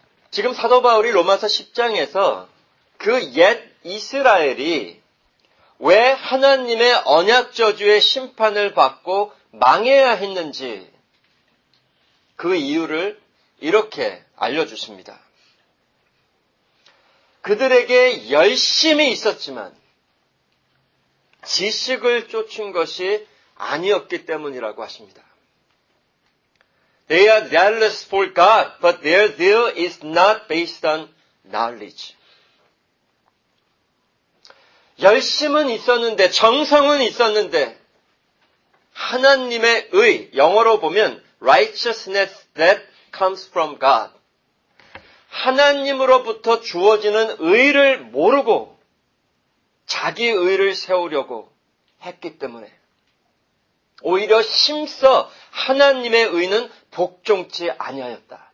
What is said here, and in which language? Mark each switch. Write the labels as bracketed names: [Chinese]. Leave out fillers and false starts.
[Korean] 지금 사도 바울이 로마서 10장에서 그 옛 이스라엘이 왜 하나님의 언약 저주의 심판을 받고 망해야 했는지 그 이유를 이렇게 알려주십니다. 그들에게 열심이 있었지만 지식을 쫓은 것이 아니었기 때문이라고 하십니다. [English] They are zealous for God, but their zeal is not based on knowledge. [Korean] 열심은 있었는데, 정성은 있었는데, 하나님의 의, 영어로 보면 [English] righteousness that comes from God. [Korean] 하나님으로부터 주어지는 의를 모르고 자기 의를 세우려고 했기 때문에 오히려 심써 하나님의 의는 복종치 아니하였다.